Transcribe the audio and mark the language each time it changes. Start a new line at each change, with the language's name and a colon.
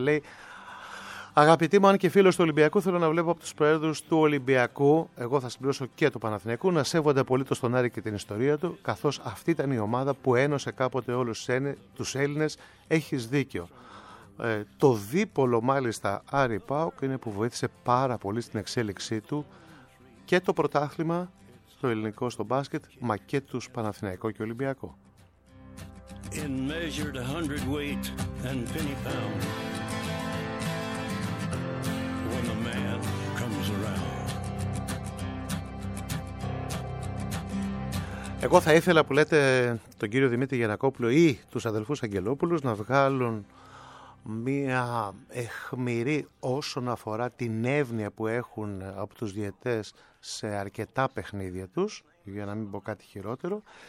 Greek: Λέει: αγαπητή μου, αν και φίλος του Ολυμπιακού, θέλω να βλέπω από τους προέδρους του Ολυμπιακού, εγώ θα συμπληρώσω και του Παναθηναϊκού, να σέβονται απολύτως τον Άρη και την ιστορία του, καθώς αυτή ήταν η ομάδα που ένωσε κάποτε όλους τους Έλληνες. Έχεις δίκιο. Το δίπολο μάλιστα Άρη ΠΑΟΚ είναι που βοήθησε πάρα πολύ στην εξέλιξή του και το πρωτάθλημα, το ελληνικό στο μπάσκετ, μα και τους Παναθηναϊκό και Ολυμπιακό.
English: In measured a hundredweight and penny pound, when the man comes around.
Greek: Εγώ θα ήθελα που λέτε τον κύριο Δημήτρη Γιανακόπουλο ή τους αδελφούς Αγγελόπουλους να βγάλουν μία αιχμηρή όσον αφορά την εύνοια που έχουν από τους διαιτές σε αρκετά παιχνίδια τους, για να μην πω κάτι χειρότερο.